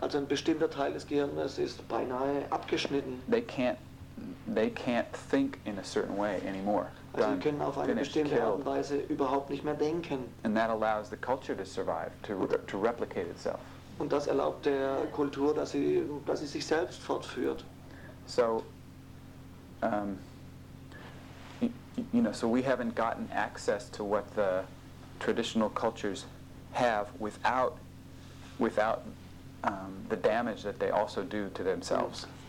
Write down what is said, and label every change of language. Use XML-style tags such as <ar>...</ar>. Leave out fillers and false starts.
<de>also ein bestimmter Teil des Gehirns ist beinahe abgeschnitten.</de> <en>They can't think in a certain way anymore.</en> <de>Also sie können auf eine bestimmte Art und Weise überhaupt nicht mehr denken.</de> <en>And that allows the culture to survive, to replicate itself.</en> <de>Und das erlaubt der Kultur, dass sie sich selbst fortführt.</de> <en>So, so we haven't gotten access to what the traditional cultures have without the damage that they also do to themselves.</en>